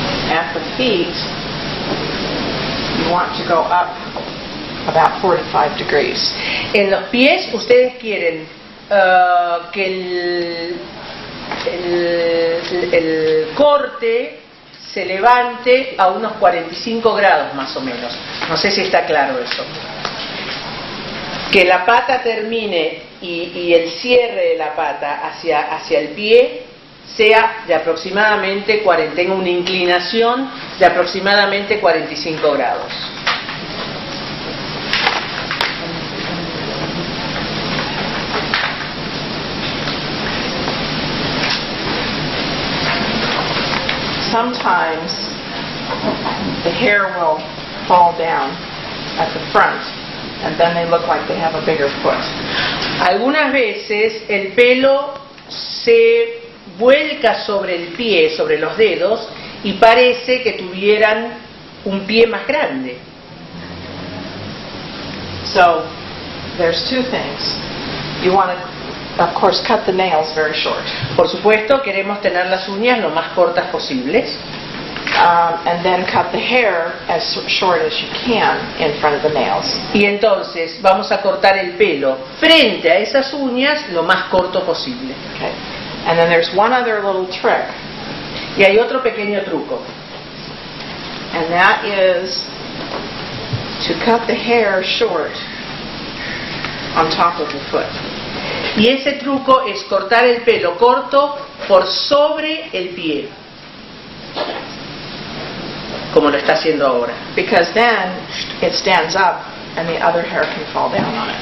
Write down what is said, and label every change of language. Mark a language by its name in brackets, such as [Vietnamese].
[English] At the feet, you want to go up about 45 degrees. [Spanish] En los pies, ustedes quieren que el corte se levante a unos 45 grados más o menos. No sé si está claro eso. Que la pata termine y el cierre de la pata hacia el pie sea de aproximadamente, tenga una inclinación de aproximadamente 45 grados. [English] Sometimes the hair will fall down at the front and then they look like they have a bigger foot. [Spanish] Algunas veces el pelo se vuelca sobre el pie, sobre los dedos, y parece que tuvieran un pie más grande. [English] So there's two things. You want to, of course, cut the nails very short. [Spanish] Por supuesto, queremos tener las uñas lo más cortas posibles. [English] And then cut the hair as short as you can in front of the nails. [Spanish] Y entonces vamos a cortar el pelo frente a esas uñas lo más corto posible. [English] Okay. And then there's one other little trick. [Spanish] Y hay otro pequeño truco. [English] And that is to cut the hair short on top of the foot. [Spanish] Y ese truco es cortar el pelo corto por sobre el pie, como lo está haciendo ahora. [English] Because then it stands up and the other hair can fall down on it.